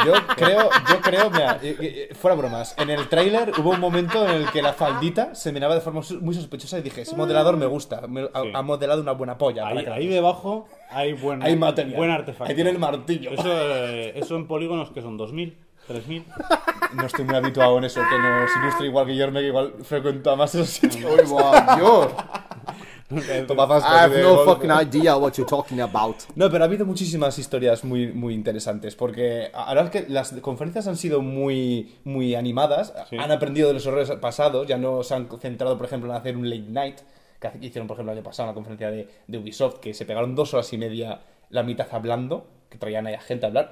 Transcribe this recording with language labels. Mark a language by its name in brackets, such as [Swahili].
[Spanish] Yo creo, mira, fuera bromas. En el tráiler hubo un momento en el que la faldita se miraba de forma muy sospechosa y dije, ese modelador me gusta. Ha modelado una buena polla. Ahí debajo hay material. Buen artefacto. Ahí tiene el martillo. Eso en polígonos que son 2000, 3000. No estoy muy habituado en eso, que nos ilustre igual Guillermo, que igual frecuenta más esos sitios. ¡Uy, guau, Dios! [English] I have no fucking idea what you're talking about. [Spanish] No, pero ha habido muchísimas historias muy, muy interesantes, porque ahora es que las conferencias han sido muy, muy animadas, sí. Han aprendido de los errores pasados, ya no se han centrado, por ejemplo, en hacer un late night, que hicieron, por ejemplo, el año pasado en la conferencia de Ubisoft, que se pegaron 2 horas y media la mitad hablando, que traían ahí a gente a hablar.